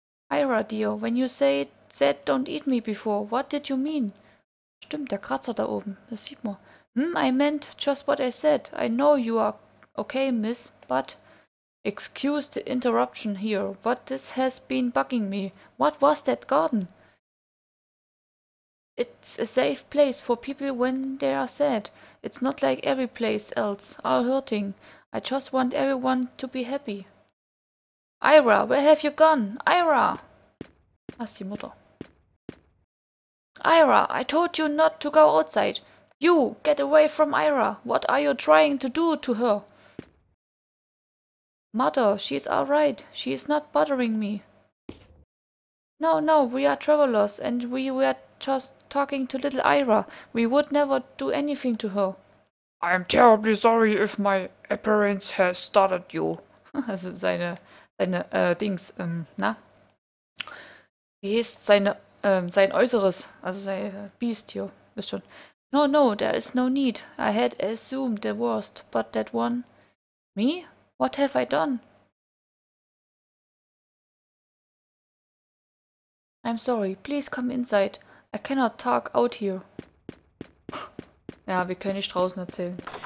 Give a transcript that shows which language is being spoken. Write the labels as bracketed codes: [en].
[en] Ira, dear, when you said don't eat me before, what did you mean? [de] Stimmt, der Kratzer da oben, das sieht man. [en] I meant just what I said. I know you are okay, miss, but... Excuse the interruption here, but this has been bugging me. What was that garden? It's a safe place for people when they are sad. It's not like every place else, all hurting. I just want everyone to be happy. Ira, where have you gone? Ira! [de] Ach, die Mutter. [en] Ira, I told you not to go outside. You, get away from Ira. What are you trying to do to her? Mother, she is all right. She is not bothering me. No, no, we are travelers and we were just talking to little Ira. We would never do anything to her. I am terribly sorry if my appearance has startled you. [de] Also sein Äußeres, also sein Biest hier, wisst schon. [en] No, no, there is no need. I had assumed the worst, but that one... Me? What have I done? I'm sorry, please come inside. I cannot talk out here. [de] Ja, wir können nicht draußen erzählen.